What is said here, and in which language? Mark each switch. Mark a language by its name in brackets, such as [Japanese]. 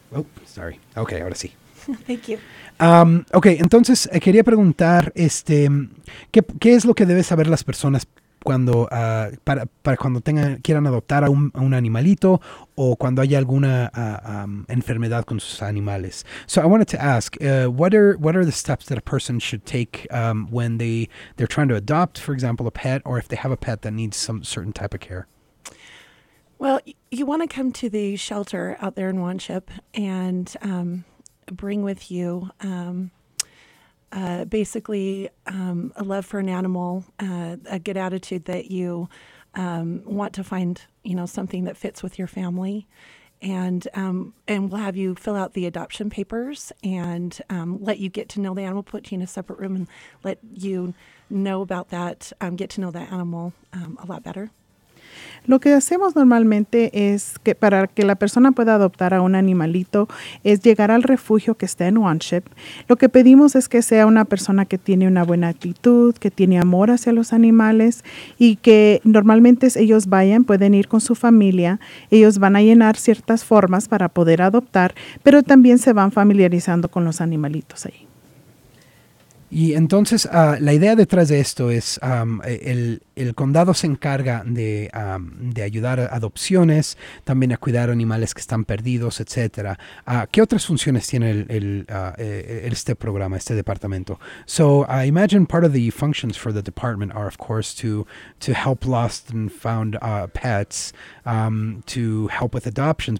[English] Oh, sorry. Okay, [Spanish] ahora sí. [English] Thank you. [Spanish] Okay, entonces quería preguntar, ¿qué es lo que debe saber las personas cuando para cuando tengan quieran adoptar a un animalito o cuando haya alguna enfermedad con sus animales? [English] So I wanted to ask, what are the steps that a person should take when they're trying to adopt, for example, a pet, or if they have a pet that needs some certain type of care? Well, you want to come to the shelter out there in Wanship and bring with you a love for an animal, a good attitude that you want to find, you know, something that fits with your family, and we'll have you fill out the adoption papers and let you get to know the animal, put you in a separate room and let you know about that, get to know that animal a lot better. [Spanish] Lo que hacemos normalmente es que para que la persona pueda adoptar a un animalito es llegar al refugio que está en Wanship. Lo que pedimos es que sea una persona que tiene una buena actitud, que tiene amor hacia los animales y que normalmente ellos vayan, pueden ir con su familia. Ellos van a llenar ciertas formas para poder adoptar, pero también se van familiarizando con los animalitos ahí. Y entonces la idea detrás de esto es el condado se encarga de ayudar a adopciones, también a cuidar animales que están perdidos, etcétera. ¿Qué otras funciones tiene este programa, este departamento? [English] So I imagine part of the functions for the department are, of course, to help lost and found pets, to help with adoptions.